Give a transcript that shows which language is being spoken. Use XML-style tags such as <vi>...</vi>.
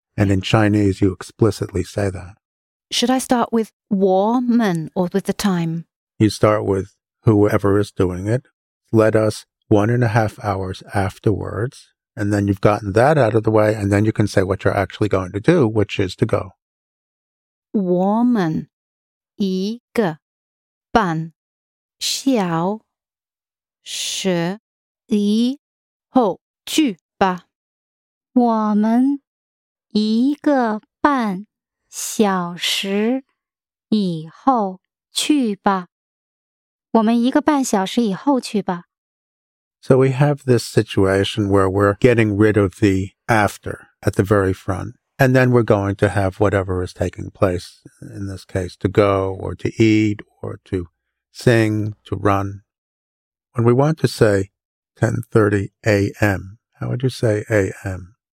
<en>And in Chinese, you explicitly say that. Should I start with 我们 or with the time? You start with whoever is doing it. Let us 1.5 hours afterwards. And then you've gotten that out of the way. And then you can say what you're actually going to do, which is to go.</en> <zh>我们一个半小时以后去吧。我们一个半小时以后去吧。我们一个半小时以后去吧。</zh> <en>So we have this situation where we're getting rid of the after at the very front. And then we're going to have whatever is taking place, in this case, to go or to eat or to sing, to run. When we want to say 10:30 a.m., how would you say a.m.?</en>